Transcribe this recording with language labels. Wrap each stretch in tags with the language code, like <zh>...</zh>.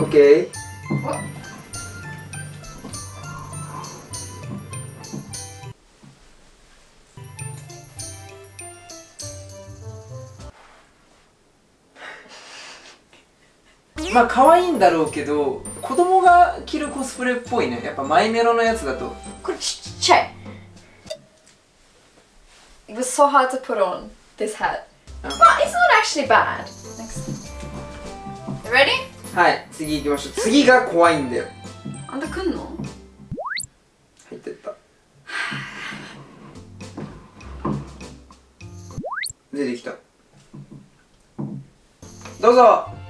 <ja>ッケー。まあ、可愛いんだろうけど、子供が着るコスプレっぽいね。やっぱマイメロのやつだと。これちっちゃい。</ja> <en>It was so hard to put on this hat. But it's not actually bad. Next. You ready?</en> <ja>はい、次行きましょう。次が怖いんだよ。あんた来んの？入ってった。出てきた。どうぞ。</ja>